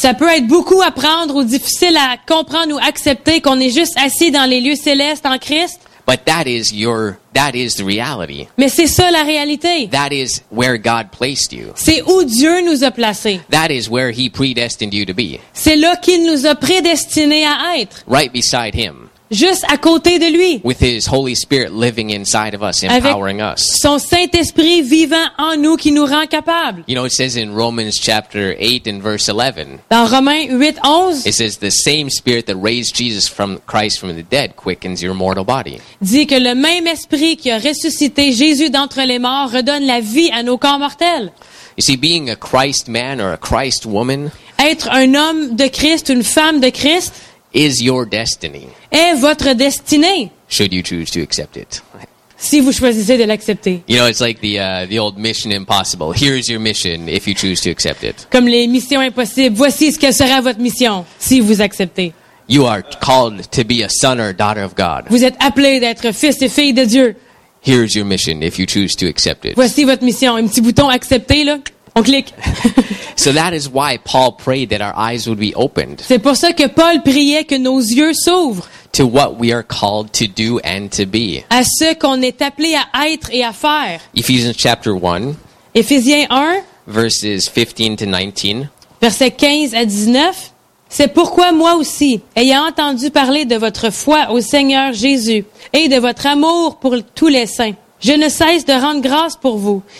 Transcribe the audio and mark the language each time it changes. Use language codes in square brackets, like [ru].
[fr] Ça peut être beaucoup à prendre ou difficile à comprendre ou accepter qu'on est juste assis dans les lieux célestes en Christ. [en] But that is the reality. [fr] Mais c'est ça la réalité. [en] That is where God placed you. [fr] C'est où Dieu nous a placés. [en] That is where he predestined you to be. [fr] C'est là qu'il nous a prédestinés à être. [en] Right beside him. [fr] Juste à côté de lui. [en] With his Holy Spirit living inside of us, empowering [fr] avec [en] us. [fr] Son Saint-Esprit vivant en nous qui nous rend capables. [en] You know, it says in Romans chapter 8 and verse 11. [fr] Dans Romains 8, 11. [en] It says the same Spirit that raised Jesus from Christ from the dead quickens your mortal body. [fr] Dit que le même Esprit qui a ressuscité Jésus d'entre les morts redonne la vie à nos corps mortels. [en] You see, being a Christ man or a Christ woman. [fr] Être un homme de Christ, une femme de Christ. [en] Is your destiny. [fr] Est votre destinée. [en] Should you choose to accept it. [fr] si vous choisissez de l'accepter. [en] You know, it's like the old Mission Impossible. Here's your mission if you choose to accept it. [fr] Comme les missions impossibles. Voici ce que sera votre mission si vous acceptez. [en] You are called to be a son or daughter of God. [fr] Vous êtes appelé d'être fils et fille de Dieu. [en] Here's your mission if you choose to accept it. [fr] Voici votre mission. Un petit bouton accepter là. On clique. [en] So that is why Paul prayed that our eyes would be opened. [fr] C'est pour ça que Paul priait que nos yeux s'ouvrent. [en] To what we are called to do and to be. [fr] À ce qu'on est appelé à être et à faire. [en] Ephesians chapter 1. [fr] Éphésiens 1. [en] Verses 15 to 19. [fr] Versets 15 à 19. C'est pourquoi moi aussi, ayant entendu parler de votre foi au Seigneur Jésus et de votre amour pour tous les saints, je ne cesse de rendre grâce pour vous.